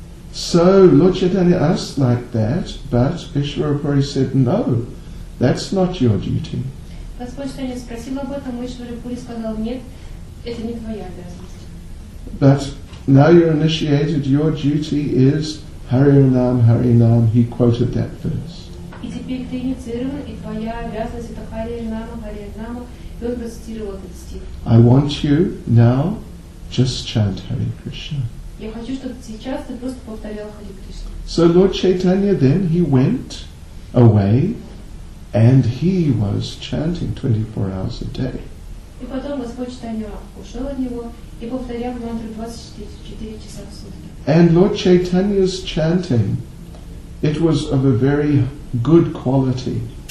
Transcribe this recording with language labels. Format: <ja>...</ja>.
<en>So Lord Chaitanya asked like that, but Ishvara Puri said, no, that's not your duty. But now you're initiated, your duty is Hari Nam, Hari Nam. He quoted that verse.</en> <ru>И теперь ты инициирован, и твоя обязанность это Хари Нама, и он процитировал этот стих.</ru> <en>I want you now just chant Hare Krishna.</en> <ru>Я хочу, чтобы сейчас ты просто повторял Хари Кришна.</ru> <en>So Lord Chaitanya then he went away and he was chanting 24 hours a day.</en> <ru>И потом Господь Читания ушел от него и повторял мантру 24 часа в сутки.</ru> <en>And Lord Chaitanya's chanting, it was of a very good quality.</en>